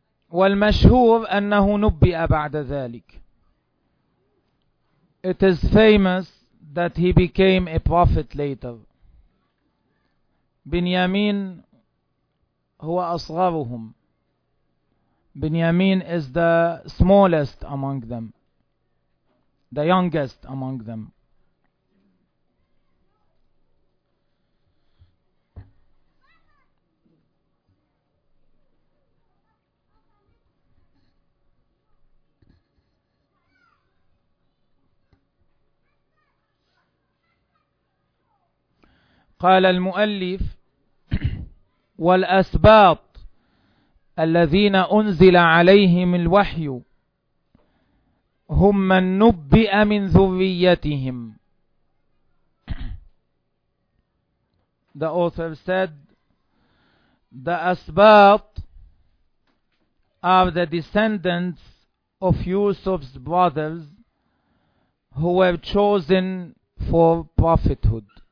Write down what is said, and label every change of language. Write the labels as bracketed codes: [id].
[ar] والمشهور أنه نبئ بعد ذلك. [en] It is famous that he became a prophet later. [ar] Binyamin هو أصغرهم. [en] Binyamin is the smallest among them, the youngest among them. [ar] قال المؤلف والأسباط الذين أنزل عليهم الوحي هم من نبئ من ذريتهم. [en] The author said, the Asbat are the descendants of Yusuf's brothers who were chosen for prophethood.